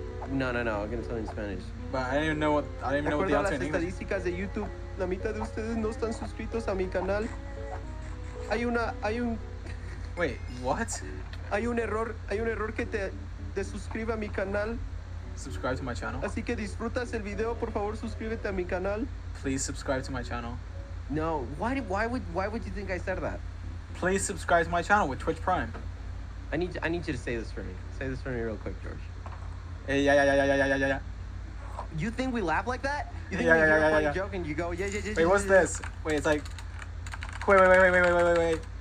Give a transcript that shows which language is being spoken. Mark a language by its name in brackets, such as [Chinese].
[English] No, I'm going to tell you in Spanish. But I didn't even know what the answer in English. [Spanish] Recuerda las estadísticas de YouTube. La mitad de ustedes no están suscritos a mi canal. Hay un error que te desuscriba a mi canal. [English] Subscribe to my channel. [Spanish] Así que disfrutas el video, por favor, suscríbete a mi canal. [English] Please subscribe to my channel. No, why would you think I said that? Please subscribe to my channel with Twitch Prime. I need you to say this for me. Say this for me real quick, George. Yeah. You think we laugh like that? You think we hear a funny joke and you go, yeah. Wait, what's this? Wait, it's like... Wait.